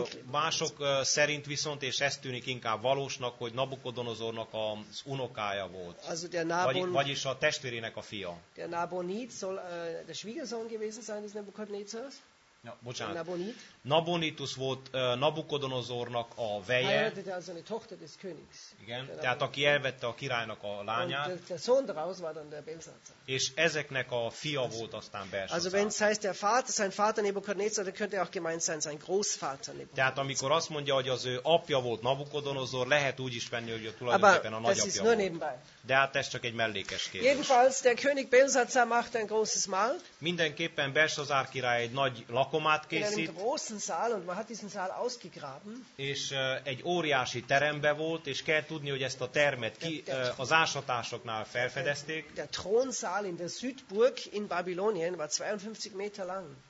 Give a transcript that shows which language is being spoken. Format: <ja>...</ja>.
<hu>Mások szerint viszont, és ez tűnik inkább valósnak, hogy Nabukodonozornak az unokája volt.</hu> <de>Also der Nabon,</de> <hu>vagyis a testvérének a fia.</hu> <de>Der Nabonid soll der Schwiegersohn gewesen sein des Nebukadnezars?</de> <hu>Ja, bocsánat. Nabonidus volt Nabukodonozornak a veje.</hu> <de>Also eine Tochter des Königs.</de> <hu>Igen, tehát aki elvette a királynak a lányát.</hu> <de>Und der Sohn daraus war dann der Belsazar.</de> <hu>És ezeknek a fia volt aztán Belsazar.</hu> <de>Also wenn es heißt, der Vater, sein Vater Nebukadnezar, dann könnte auch gemeint sein, sein Großvater Nebukadnezar.</de> <hu>Tehát amikor azt mondja, hogy az ő apja volt Nabukodonozor, lehet úgy is venni, hogy tulajdonképpen a nagyapja volt.</hu> <de>Aber das ist nur nebenbei.</de> <hu>De hát ez csak egy mellékes kérdés.</hu> <de>Jedenfalls der König Belsazar macht ein großes Mahl.</de> <hu>Mindenképpen Belsazár király egy nagy lakomát készít.</hu> <de>Und man hat diesen Saal ausgegraben.</de> <hu>És egy óriási terembe volt, és kell tudni, hogy ezt a termet ki, az ásatásoknál felfedezték.</hu> <de>Der Thronsaal in der Südburg in Babylonien war 52 Meter lang.</de>